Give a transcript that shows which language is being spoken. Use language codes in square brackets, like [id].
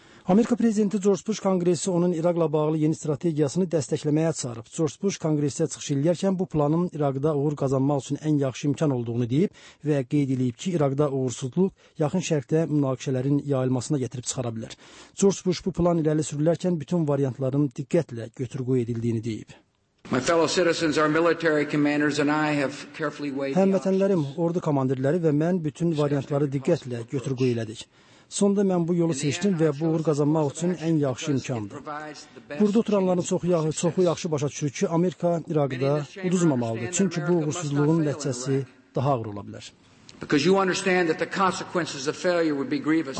[az] Amerika Prezidenti George Bush Kongresi onun İraqla bağlı yeni strategiyasını dəstəkləməyə çağırıb. George Bush Kongresdə çıxış edərkən bu planın İraqda uğur qazanmaq üçün ən yaxşı imkan olduğunu deyib və qeyd edib ki, İraqda uğursuzluq yaxın şərqdə münaqişələrin yayılmasına gətirib çıxara bilər. George Bush bu plan irəli sürülərkən bütün variantların diqqətlə götür-qoy edildiğini deyib. [en] My fellow citizens, our military commanders and I have carefully weighed. [az] Həm vətənlərim, ordu komandirləri və mən bütün variantları diqqətlə götür-qoy elədik. Sonda mən bu yolu seçdim və bu uğur qazanmaq üçün ən yaxşı imkandır. Burada oturanların çoxu yaxşı başa düşürük ki, Amerika İraqda uduzmamalıdır, çünki bu uğursuzluğun nəticəsi daha ağır ola bilər. [en] Because you understand that the consequences of failure would be grievous.